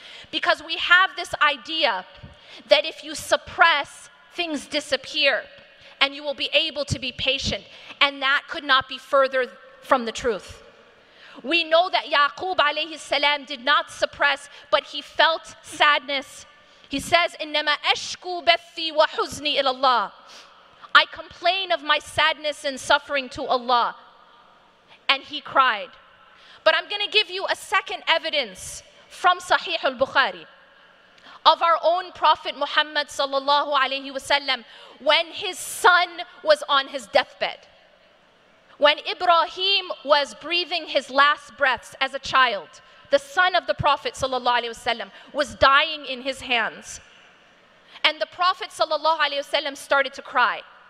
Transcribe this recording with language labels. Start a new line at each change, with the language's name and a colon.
English: Because we have this idea that if you suppress, things disappear and you will be able to be patient. And that could not be further from the truth. We know that Yaqub alayhi salam did not suppress, but he felt sadness. He says,
Arabic: إِنَّمَا أَشْكُو بَثِّي وَحُزْنِي إِلَى اللَّهِ.
English: I complain of my sadness and suffering to Allah. And he cried. But I'm going to give you a second evidence from Sahih al-Bukhari, of our own Prophet Muhammad sallallahu alayhi wasallam, when his son was on his deathbed, when Ibrahim was breathing his last breaths as a child, the son of the Prophet sallallahu alayhi wasallam was dying in his hands, and the Prophet sallallahu alayhi wasallam started to cry.